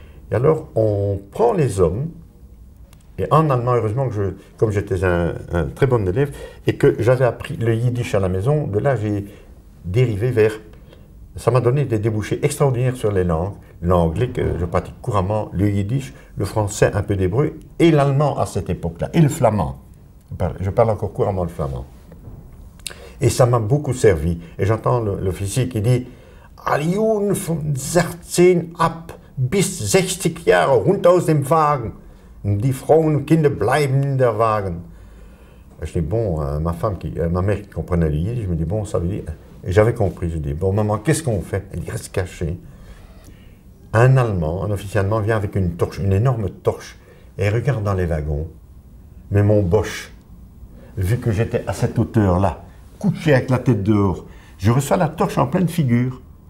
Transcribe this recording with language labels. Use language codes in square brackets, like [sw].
[fr] Et alors, on prend les hommes, et en allemand, heureusement, comme j'étais un très bon élève, et que j'avais appris le yiddish à la maison, de là, j'ai dérivé vers. Ça m'a donné des débouchés extraordinaires sur les langues. L'anglais que je pratique couramment, le yiddish, le français un peu d'hébreu, et l'allemand à cette époque-là, et le flamand. Je parle encore couramment le flamand. Et ça m'a beaucoup servi. [de] Et j'entends l'officier qui dit: Alioun von 16 ab bis 60 Jahre runter aus dem Wagen. Die Frauen Kinder bleiben in der Wagen. [fr] Je dis, bon, ma femme, ma mère qui comprenait le yiddish, je me dis, bon, ça veut dire... Et j'avais compris, je dis, bon, maman, qu'est-ce qu'on fait? Elle dit, reste cachée. Un Allemand, un officier allemand, vient avec une torche, une énorme torche, et regarde dans les wagons. Mais mon boche, vu que j'étais à cette hauteur-là, couché avec la tête dehors, je reçois la torche en pleine figure.